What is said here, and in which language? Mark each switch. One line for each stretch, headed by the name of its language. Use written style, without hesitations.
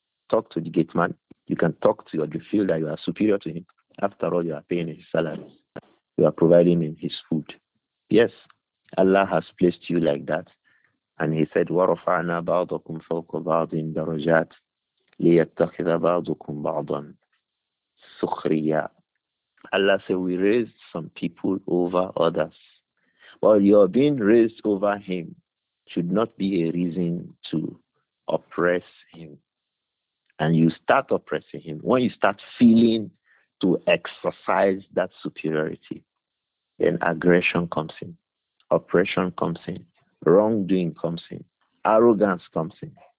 English: Talk to the gate man. You can talk to your, you feel that you are superior to him. After all, you are paying his salary. You are providing him his food. Yes, Allah has placed you like that. And he said,
Arabic: وَرَفَعْنَا بَعْضَكُمْ فَوْقَ بَعْضٍ دَرَجَاتٍ لِيَتَّخِذَ بَعْضُكُمْ بَعْضًا سُخْرِيًّا.
English: Allah said, we raised some people over others. Well, your being raised over him should not be a reason to oppress him. And you start oppressing him when you start feeling to exercise that superiority, then aggression comes in, oppression comes in, wrongdoing comes in, arrogance comes in.